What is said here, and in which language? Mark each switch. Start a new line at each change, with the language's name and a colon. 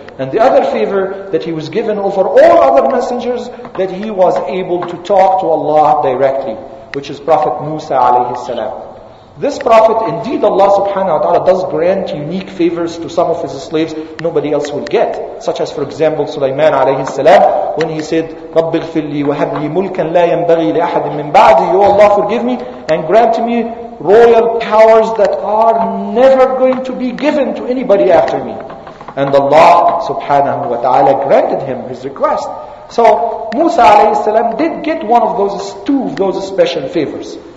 English: And the other favor that he was given over all other messengers, that he was able to talk to Allah directly, which is Prophet Musa alayhi salam. This Prophet, indeed Allah subhanahu wa ta'ala does grant unique favors to some of his slaves nobody else will get. Such as, for example, Sulaiman alayhi salam, when he said,
Arabic: رَبِّ اغْفِرْ لِي وَهَبْ لِي مُلْكًا لَا يَنْبَغِي لِأَحَدٍ مِّن بَعْدِي.
English: Oh Allah, forgive me and grant me royal powers that are never going to be given to anybody after me. And Allah subhanahu wa ta'ala granted him his request. So Musa alayhi salam did get two of those special favors.